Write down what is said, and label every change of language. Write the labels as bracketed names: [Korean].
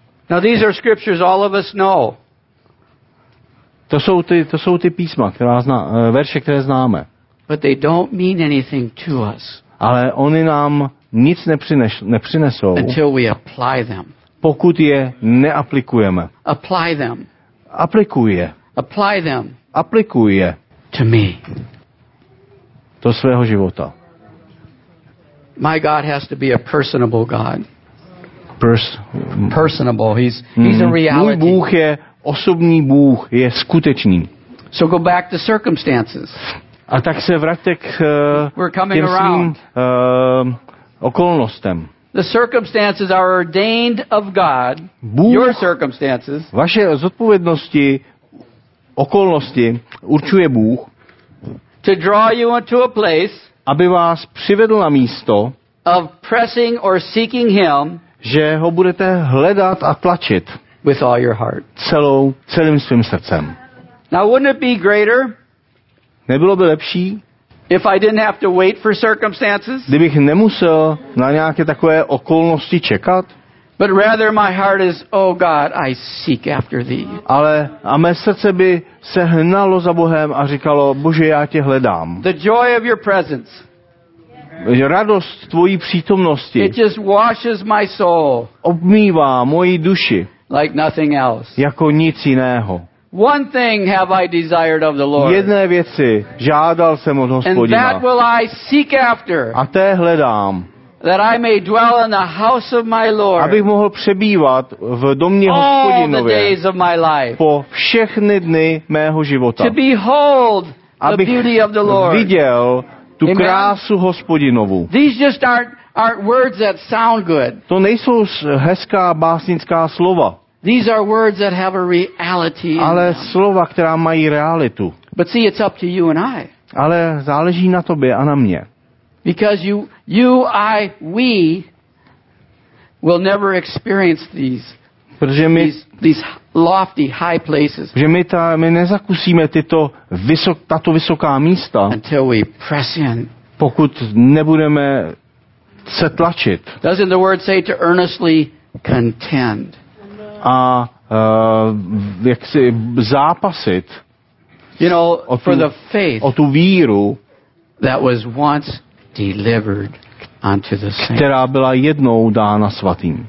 [English] Now these are scriptures all of us know. [Czech] To jsou ty písma, verše, které známe. [English] But they don't mean anything to us. [Czech] Ale oni nám nic nepřinesou, [English] until we apply them. [Czech] Pokud je neaplikujeme. [English] Apply them. [Czech] Aplikuje. [English] Apply them. [Czech] Aplikuje. [English] To me. [Czech] Do svého života. [English] My God has to be a personable God. Personable. He's a reality. [Czech] Můj Bůh je osobní Bůh, je skutečný. [English] So go back to circumstances. [Czech] A tak se vraťte k těm svým okolnostem. [English] The circumstances are ordained of God. [Czech] Bůh, [English] your circumstances. [Czech] Vaše zodpovědnosti, okolnosti určuje Bůh. [English] To draw you into a place. [Czech] Aby vás přivedl na místo. [English] Of pressing or seeking him. [Czech] Že ho budete hledat a tlačit. [English] With all your heart. [Czech] Celým svým srdcem. [English] Now wouldn't it be greater? [Czech] Nebylo by lepší? [English] If I didn't have to wait for circumstances? [Czech] Kdybych nemusel na nějaké takové okolnosti čekat? [English] But rather my heart is, oh God, I seek after thee. [Czech] Ale a mé srdce by se hnalo za Bohem a říkalo, Bože, já tě hledám. [English] The joy of your presence. [Czech] Radost tvojí přítomnosti. [English] It just washes my soul. [Czech] Obmývá moji duši. [English] Like nothing else. [Czech] Jako nic jiného. [English] One thing have I desired of the Lord. [Czech] Jedné věci žádal jsem od Hospodina. [English] And that will I seek after. [Czech] A té hledám. [English] That I may dwell in the house of my Lord. [Czech] Abych mohl přebývat v domě Hospodinově. [English] All the days of my life. [Czech] Po všechny dny mého života. [English] To behold the beauty of the Lord. [Czech] Abych viděl tu krásu Hospodinovu. [English] These just aren't words that sound good. [Czech] To nejsou hezká básnická slova. [English] These are words that have a reality. [Czech] Ale slova, která mají realitu. [English] But see, it's up to you and I. [Czech] Ale záleží na tobě a na mě. [English] Because we will never experience these lofty high places. [Czech] Protože my nezakusíme tato vysoká místa. [English] Until we press in. [Czech] Pokud nebudeme se tlačit. [English] Doesn't the word say to earnestly contend? [Czech] A jaksi zápasit, [English] you know, for the faith, [Czech] o tu víru, [English] that was once delivered unto the saints, [Czech] která byla jednou dána svatým.